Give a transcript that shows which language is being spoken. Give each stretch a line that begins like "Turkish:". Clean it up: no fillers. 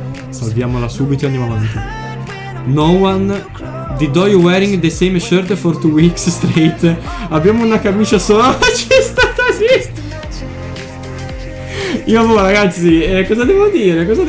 Italian: Salviamola subito e andiamo avanti.
English: No one. Did you wearing the same shirt for 2 weeks straight?
Italian: Abbiamo una camicia sola. C'è stata. Io boh, ragazzi, cosa devo dire?